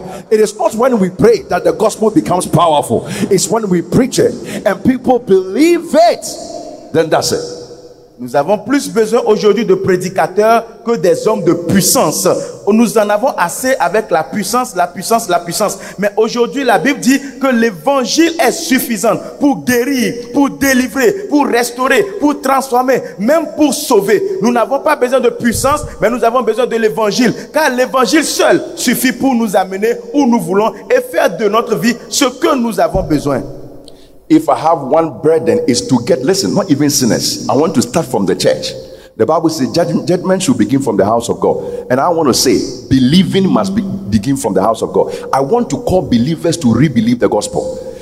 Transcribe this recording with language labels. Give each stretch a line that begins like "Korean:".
English: It is not when we pray that the gospel becomes powerful. It's when we preach it and people believe it. Then that's it.
French: Nous avons plus besoin aujourd'hui de prédicateurs que des hommes de puissance. Nous en avons assez avec la puissance. Mais aujourd'hui, la Bible dit que l'évangile est suffisant pour guérir, pour délivrer, pour restaurer, pour transformer, même pour sauver. Nous n'avons pas besoin de puissance, mais nous avons besoin de l'évangile. Car l'évangile seul suffit pour nous amener où nous voulons et faire de notre vie ce que nous avons besoin.
English: If I have one burden, is to get, listen, not even sinners. I want to start from the church. The Bible says judgment should begin from the house of God. And I want to say, believing must begin from the house of God. I want to call believers to re-believe the gospel.